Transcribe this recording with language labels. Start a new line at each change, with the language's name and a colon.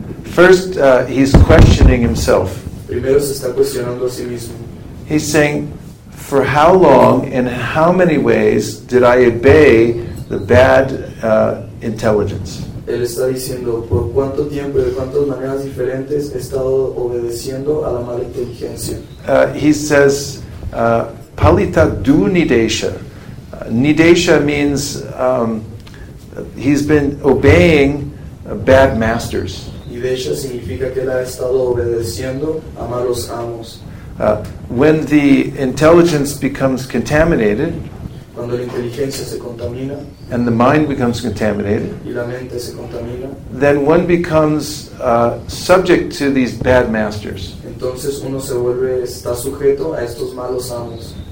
English: First, he's questioning himself. He's saying, for how long and how many ways did I obey the bad intelligence?
Spanish: Él está diciendo, ¿por cuánto tiempo y de cuántas maneras diferentes he estado obedeciendo a la mala inteligencia?
English: He says,
Sanskrit: palita du nidesha.
English: Nidesha means he's been obeying bad masters.
Spanish: Nidesha significa que él ha estado obedeciendo a malos amos.
English: When the intelligence becomes contaminated,
Spanish: cuando la inteligencia se contamina,
English: and the mind becomes contaminated,
Spanish: y la mente se contamina,
English: then one becomes subject to these bad masters.
Spanish: Entonces uno se vuelve, está sujeto a estos malos amos.